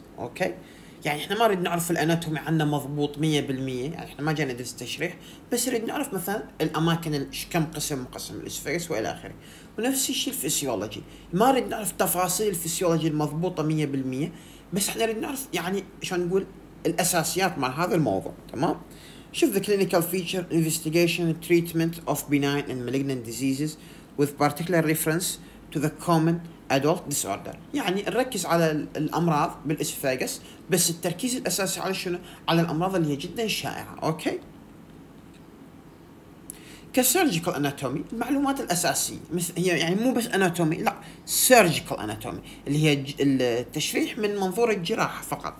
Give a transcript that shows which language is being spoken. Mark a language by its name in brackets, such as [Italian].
[Arabic] أوكي، يعني إحنا ما نريد نعرف الأناتومي عنا مضبوط 100%، يعني إحنا ما جينا ندرس تشريح، بس نريد نعرف مثلا الأماكن كم قسم مقسم الإسفاجس وإلى آخره. ونفس الشيء الفسيولوجي، ما نريد نعرف تفاصيل الفسيولوجي المضبوطة 100%، بس احنا نريد نعرف يعني شو نقول الأساسيات مع هذا الموضوع. تمام، شوف [English] the clinical feature investigation and treatment of benign and malignant diseases with particular reference to the common adult disorder. [Arabic] يعني نركز على الأمراض بالإسفاجس، بس التركيز الأساسي على شنو؟ على الأمراض اللي هي جدا شائعة. أوكي، كسيرجيكال اناتومي، المعلومات الاساسيه مثل هي، يعني مو بس اناتومي، لا سيرجيكال اناتومي اللي هي التشريح من منظور الجراحه فقط.